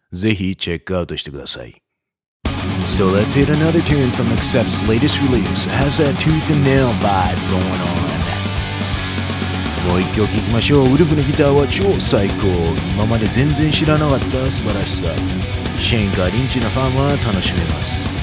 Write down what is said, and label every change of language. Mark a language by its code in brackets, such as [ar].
[ja] ぜひチェックアウトしてください。 [en] So let's hit another tune from Accept's latest release. Has that tooth and nail vibe going on? [ja] もう一曲聞きましょう。ウルフのギターは超最高。今まで全然知らなかった素晴らしさ。シェーンがリンチのファンは楽しめます。